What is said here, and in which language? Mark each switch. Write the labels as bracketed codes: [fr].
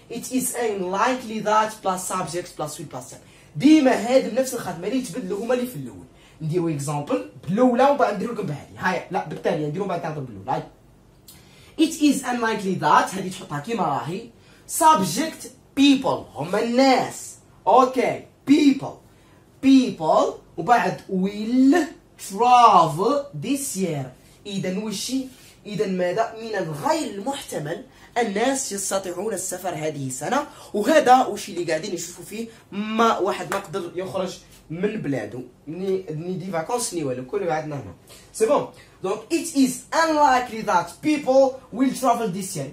[en] It is unlikely that plus subject plus with plus same. [ar] ديما هذه نفس الخدمة اللي تبدلوا هما اللي في الأول. نديروا إكزامبل بالأولى وبعد نديروا لكم بهذي. هاي لا بالتالي نديروا بعد تعطوا بالأولى. It is unlikely that هذه تحطها كيما راهي. Subject people هما الناس. [en] Okay people. People وبعد will travel this year. [ar] إذا وشي؟ إذا ماذا؟ من الغير المحتمل الناس يستطيعون السفر هذه السنة، وهذا وشي اللي قاعدين يشوفوا فيه ما واحد مقدر يخرج من بلاده ني دي فاكونس ني والو كل قاعدنا هنا سي بون. [en] دونك it is unlikely that people will travel this year.